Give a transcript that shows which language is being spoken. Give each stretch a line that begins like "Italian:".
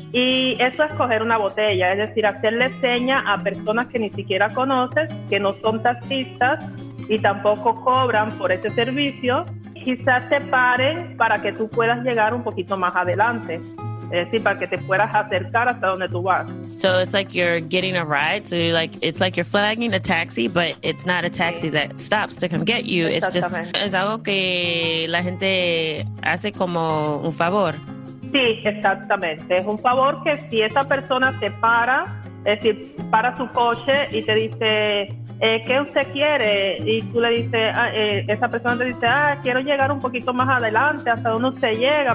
Spanish: Y eso es coger una botella, es decir, hacerle seña a personas que ni siquiera conoces, que no son taxistas y tampoco cobran por ese servicio. Quizás te paren para que tú puedas llegar un poquito más adelante, es decir, para que te puedas acercar hasta donde tú vas.
English: So it's like you're getting a ride, so you're like, it's like you're flagging a taxi, but it's not a taxi, sí, that stops to come get you. It's just,
Spanish: es algo que la gente hace como un favor. Sí, exactamente. Es un favor que si esa persona te para, es decir, para su coche y te dice, ¿qué usted quiere? Y tú le dices, esa persona te dice, quiero llegar un poquito más adelante, ¿hasta dónde usted llega?